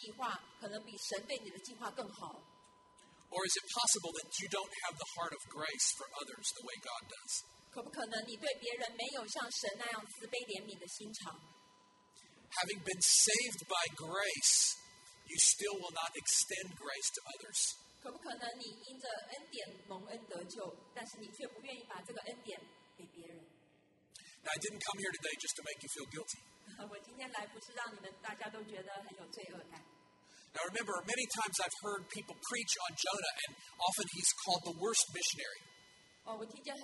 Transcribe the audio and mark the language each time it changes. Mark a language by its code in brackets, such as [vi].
[zh] 你会不会想说你对自己的计划可能比神对你的计划更好? [en] Or is it possible that you don't have the heart of grace for others the way God does? [zh] 可不可能你对别人没有像神那样慈悲怜悯的心肠? [en] Having been saved by grace, you still will not extend grace to others. [zh] 可不可能你因着恩典蒙恩得救，但是你却不愿意把这个恩典给别人? [en] Now, I didn't come here today just to make you feel guilty. [zh] 我今天来不是让你们大家都觉得很有罪恶感。 [en] Now remember, many times I've heard people preach on Jonah, and often he's called the worst missionary.